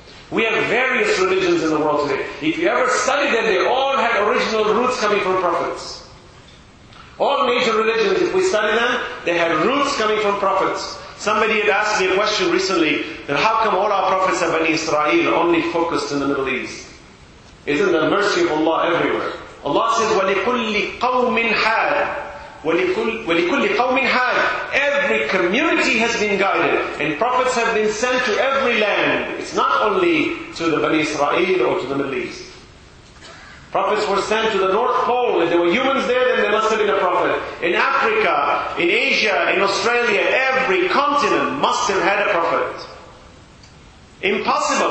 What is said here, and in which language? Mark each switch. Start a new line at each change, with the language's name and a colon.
English: We have various religions in the world today. If you ever study them, they all had original roots coming from prophets. All major religions, if we study them, they had roots coming from prophets. Somebody had asked me a question recently, that how come all our prophets of Bani Israel only focused in the Middle East? Isn't the mercy of Allah everywhere? Allah says,
Arabic: وَلِكُلِّ قَوْمٍ حَادٍ وَلِكُلِّ قَوْمٍ حَادٍ.
English: Every community has been guided, and prophets have been sent to every land. It's not only to the Bani Israel or to the Middle East. Prophets were sent to the North Pole. If there were humans there, then there must have been a prophet. In Africa, in Asia, in Australia, every continent must have had a prophet. Impossible.